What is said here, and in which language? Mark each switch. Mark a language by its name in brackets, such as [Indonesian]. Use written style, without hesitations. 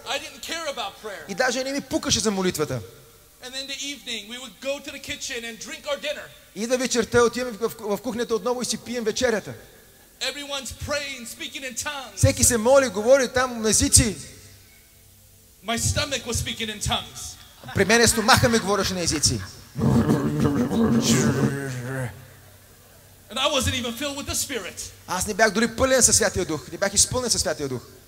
[English] I didn't care about prayer. [Bulgarian] И даже не ми пукаше за молитвата. [English] And then the evening we would go to the kitchen and drink our dinner. [Bulgarian] И да вечерта отиваме в кухнята отново и си пием вечерята. [English] Everyone's praying, speaking in tongues. [Bulgarian] Всеки се моли, говори там на езици. [English] My stomach was speaking in tongues. [Bulgarian] При мене стомаха ми говореше на езици. [English] And I wasn't even filled with the Spirit. [Bulgarian] Аз не бях дори пълен със Святия Дух. Не бях изпълнен със Святия Дух.